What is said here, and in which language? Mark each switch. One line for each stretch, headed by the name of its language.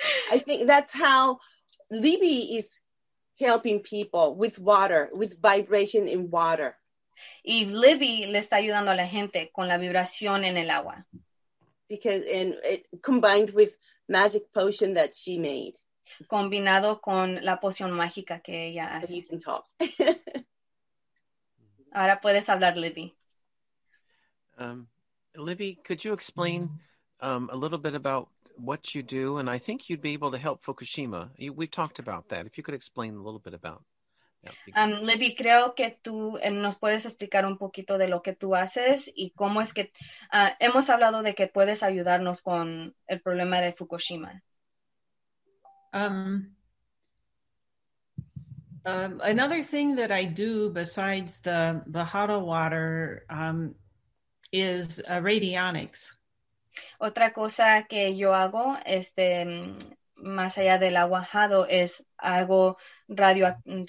English: I think that's how Libby is helping people with water, with vibration in water.
Spanish: Y Libby le está ayudando a la gente con la vibración en el agua.
English: Because combined with magic potion that she made.
Spanish: Combinado con la poción mágica que ella hace.
English: You can talk.
Spanish: Ahora puedes hablar, Libby.
English: Libby, could you explain a little bit about what you do, and I think you'd be able to help Fukushima. We've talked about that. If you could explain a little bit about that.
Spanish: Libby, creo que tú nos puedes explicar un poquito de lo que tú haces y cómo es que hemos hablado de que puedes ayudarnos con el problema de Fukushima.
English: Another thing that I do besides the HADA water is radionics.
Spanish: Otra cosa que yo hago, más allá del agua HADO, es hago radiónica.